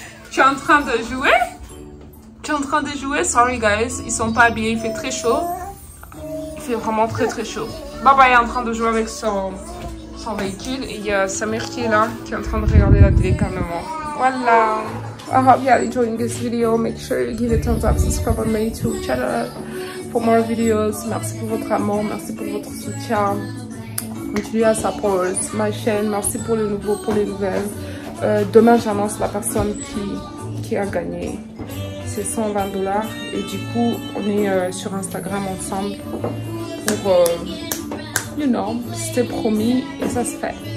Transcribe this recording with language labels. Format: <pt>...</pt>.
<fr>Tu es en train de jouer? Tu es en train de jouer?</fr> <en>Sorry guys,</en> <fr>ils sont pas habillés. Il fait très chaud. Fait vraiment très très chaud. Baba est en train de jouer avec son véhicule, et il y a Samir qui est là, qui est en train de regarder la télé calmement. Voilà.</fr> <en>I hope you're enjoying this video. Make sure you give a thumbs up, subscribe on my YouTube channel for more videos.</en> <fr>Merci pour votre amour, merci pour votre soutien. Continuez à support ma chaîne. Merci pour les nouveaux, pour les nouvelles. Demain j'annonce la personne qui a gagné. C'est 120$, et du coup on est sur Instagram ensemble pour,</fr> <en>you know,</en> <fr>c'était promis et ça se fait.</fr>